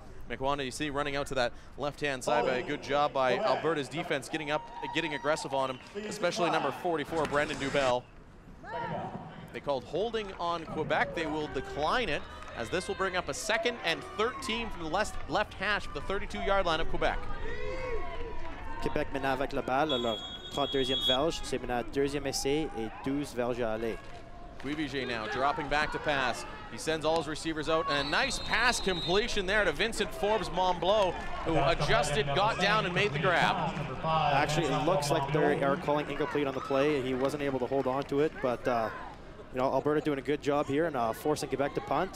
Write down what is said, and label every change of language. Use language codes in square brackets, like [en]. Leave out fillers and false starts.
[en] McWanda, you see, running out to that left-hand side. A good job by Alberta's defense getting up, getting aggressive on him, especially number 44, Brandon Dubell. They called holding on Quebec. They will decline it as this will bring up a second and 13 from the left hash of the 32-yard line of Quebec. [fr] Quebec maintenant avec la balle, alors 32e verge, c'est maintenant deuxième essai et 12 verges à aller. [en] Cuivier now dropping back to pass. He sends all his receivers out, and a nice pass completion there to Vincent Forbes Momblot, who adjusted, got down, and made the grab. Actually, it looks like they are calling incomplete on the play. He wasn't able to hold on to it, but Alberta doing a good job here and forcing Quebec to punt.